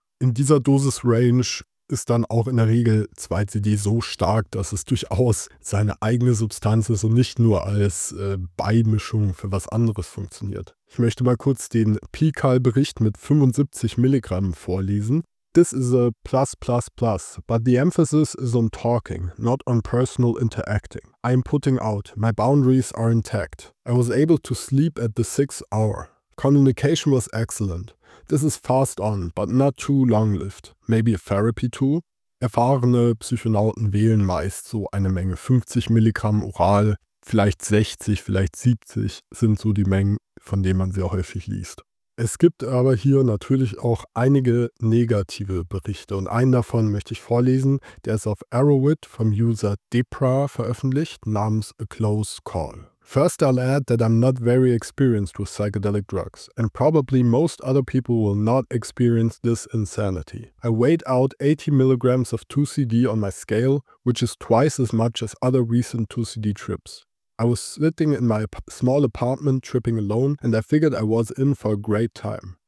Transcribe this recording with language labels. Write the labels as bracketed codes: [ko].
[de] In dieser Dosis-Range ist dann auch in der Regel 2CD so stark, dass es durchaus seine eigene Substanz ist und nicht nur als Beimischung für was anderes funktioniert. Ich möchte mal kurz den Pical-Bericht mit 75 Milligramm vorlesen. [en] This is a plus plus plus, but the emphasis is on talking, not on personal interacting. I am putting out, my boundaries are intact. I was able to sleep at the sixth hour. Communication was excellent. This is fast on, but not too long-lived. Maybe a therapy too? [de] Erfahrene Psychonauten wählen meist so eine Menge 50 Milligramm oral, vielleicht 60, vielleicht 70 sind so die Mengen, von denen man sehr häufig liest. Es gibt aber hier natürlich auch einige negative Berichte und einen davon möchte ich vorlesen. Der ist auf Arrowhead vom User Depra veröffentlicht, namens A Close Call. [en] First I'll add that I'm not very experienced with psychedelic drugs and probably most other people will not experience this insanity. I weighed out 80 milligrams of 2CD on my scale, which is twice as much as other recent 2CD trips. I was sitting in my small apartment tripping alone and I figured I was in for a great time.